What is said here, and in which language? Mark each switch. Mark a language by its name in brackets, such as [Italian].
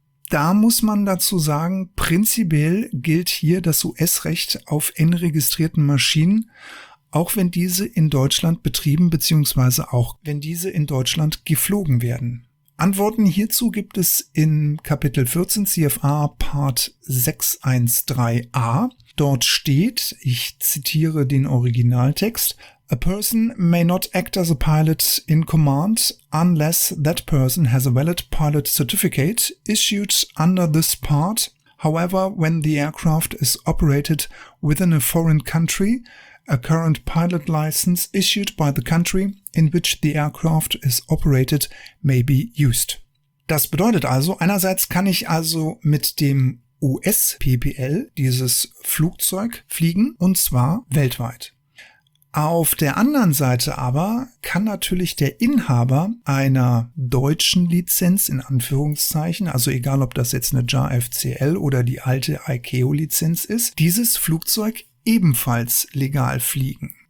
[German] Da muss man dazu sagen, prinzipiell gilt hier das US-Recht auf enregistrierten Maschinen, auch wenn diese in Deutschland betrieben bzw. auch wenn diese in Deutschland geflogen werden. Antworten hierzu gibt es in Kapitel 14 CFR Part 613a [English] Dort steht, ich zitiere den Originaltext, "A person may not act as a pilot in command unless that person has a valid pilot certificate issued under this part. However, when the aircraft is operated within a foreign country, a current pilot license issued by the country in which the aircraft is operated may be used." [German] Das bedeutet also, einerseits kann ich also mit dem US-PPL dieses Flugzeug fliegen, und zwar weltweit. Auf der anderen Seite aber kann natürlich der Inhaber einer deutschen Lizenz, in Anführungszeichen, also egal ob das jetzt eine JAFCL oder die alte ICAO-Lizenz ist, dieses Flugzeug ebenfalls legal fliegen.